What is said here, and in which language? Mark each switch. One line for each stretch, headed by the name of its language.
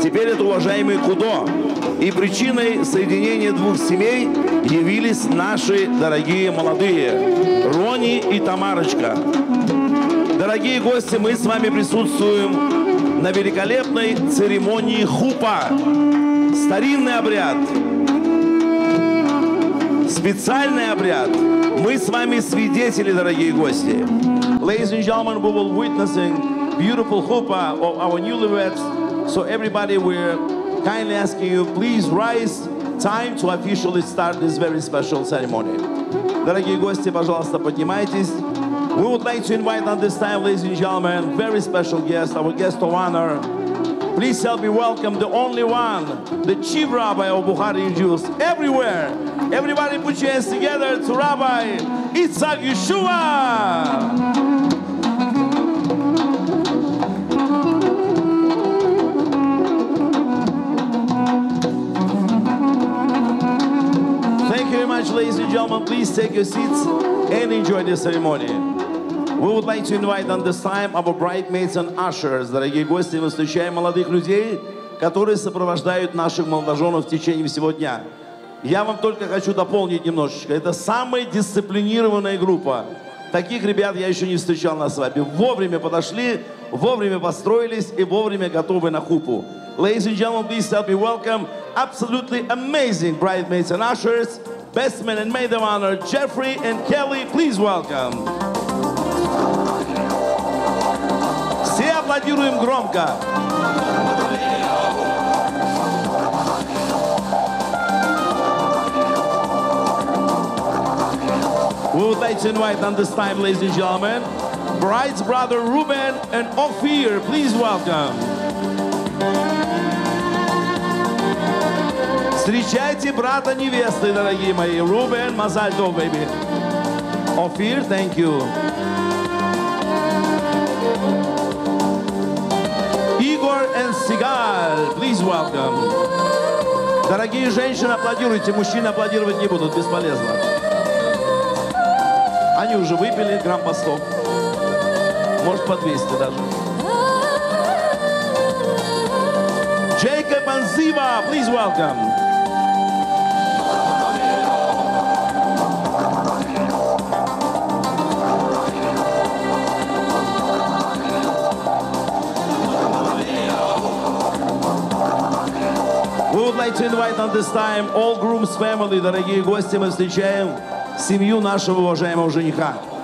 Russian: Теперь это уважаемый Кудо. И причиной соединения двух семей явились наши дорогие молодые Рони и Тамарочка. Дорогие гости, мы с вами присутствуем на великолепной церемонии хупа. Старинный обряд. Специальный обряд. Мы с вами свидетели, дорогие гости.
English: Ladies and gentlemen, we will witnessing beautiful hupa of our newlyweds. So everybody, we're kindly asking you, please rise. Time to officially start this very special ceremony.
Russian: Дорогие гости, пожалуйста, поднимайтесь.
English: We would like to invite on this time, ladies and gentlemen, very special guest, our guest of honor. Please help me welcome the only one, the chief rabbi of Bukhari Jews everywhere. Everybody put your hands together to Rabbi Itzhak Yeshua. Thank you very much, ladies and gentlemen. Please take your seats and enjoy the ceremony. We would like to invite on this time our bridesmaids and ushers.
Russian: Дорогие гости, мы встречаем молодых людей, которые сопровождают наших молодоженов в течение всего дня. Я вам только хочу дополнить немножечко. Это самая дисциплинированная группа. Таких ребят я еще не встречал на свадьбе. Вовремя подошли, вовремя построились и вовремя готовы на хупу.
English: Ladies and gentlemen, please help me welcome absolutely amazing bridesmaids and ushers, best men and maid of honor, Jeffrey and Kelly. Please welcome.
Russian: Все аплодируем громко.
English: We would like to invite on this time, ladies and gentlemen, bride's brother Ruben and Ophir. Please welcome.
Russian: Встречайте брата невесты, дорогие мои.
English: Рубен,
Hebrew: мазаль тов,
English: baby. Ophir, thank you. Сигар, please welcome.
Russian: Дорогие женщины, аплодируйте. Мужчины аплодировать не будут, бесполезно. Они уже выпили грамм по 100. Может, по 200 даже.
English: Джейкоб Анзива, please welcome. We would like to invite on this time all groom's family.
Russian: Дорогие гости, мы встречаем семью нашего уважаемого жениха.